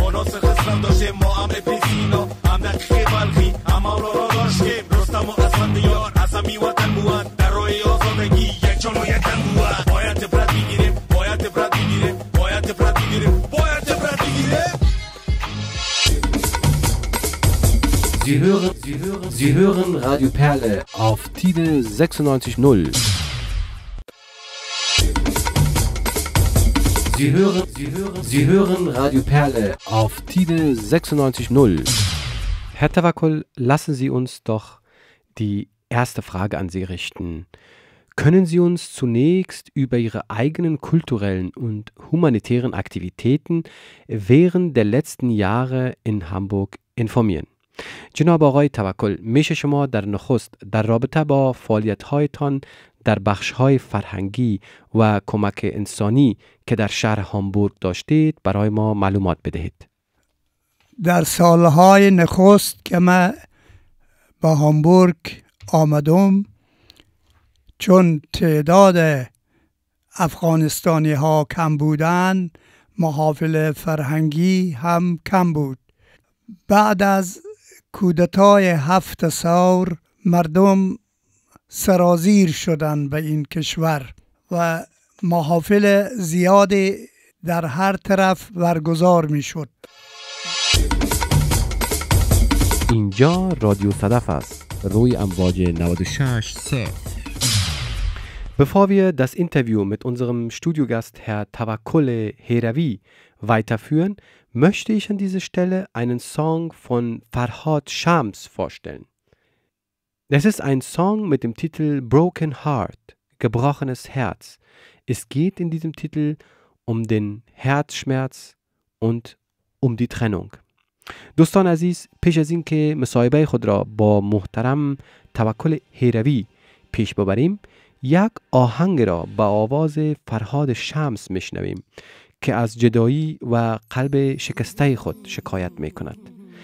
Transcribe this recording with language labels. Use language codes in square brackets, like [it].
[fa] ما ناصر خسرو داشتیم، ما هم اپریسینا، هم دقیق بلخی، هم اولا را داشتیم. رستم و اسفندیار از همی وطن بود، در رای آزادگی یک جان و یک تن بود. باید عبرت بگیریم، باید عبرت بگیریم، باید عبرت بگیریم، باید عبرت بگیریم. [de] Sie hören Radio Perle auf TIDE 96.0. Sie hören Radio Perle auf TIDE 96.0. Herr Tawakkul, lassen Sie uns doch die erste Frage an Sie richten. Können Sie uns zunächst über Ihre eigenen kulturellen und humanitären Aktivitäten während der letzten Jahre in Hamburg informieren? [fa] جناب آقای توکل، میشه شما در نخست در رابطه با فعالیت‌هایتان در بخش‌های فرهنگی و کمک انسانی که در شهر هامبورگ داشتید برای ما معلومات بدهید؟ در سال‌های نخست که من به هامبورگ آمدم، چون تعداد افغانستانی‌ها کم بودند، محافل فرهنگی هم کم بود. بعد از کودتای هفت ثور مردم سرازیر شدند به این کشور و محافل زیادی در هر طرف برگزار می شد. اینجا رادیو صدف است، روی امواج 96.3. [de] Bevor wir das Interview mit unserem Studiogast Herr Tavakkole Heravi weiterführen, möchte ich an dieser Stelle einen Song von Farhad Shams vorstellen. Es ist ein Song mit dem Titel Broken Heart, gebrochenes Herz. Es geht in diesem Titel um den Herzschmerz und um die Trennung. [fa] دوستان عزیز، پیش از این که مصاحبه خود را با محترم توکل هیروی پیش ببریم، یک آهنگ را با آواز فرهاد شمس میشنویم که از جدایی و قلب شکسته خود شکایت میکند.